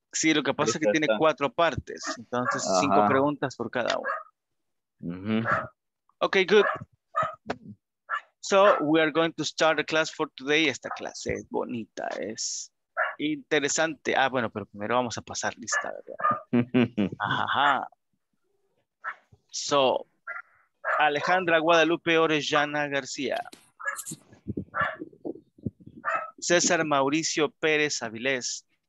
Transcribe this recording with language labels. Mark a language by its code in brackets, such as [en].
[es] Sí, lo que pasa es que tiene 4 partes, entonces 5 preguntas por cada una. Uh-huh. [en] Ok, good. So, we are going to start the class for today. [es] Esta clase es bonita, es interesante. Ah, bueno, pero primero vamos a pasar lista, ¿verdad? [en] Ajá. So, Alejandra Guadalupe Orellana García. César Mauricio Pérez Avilés.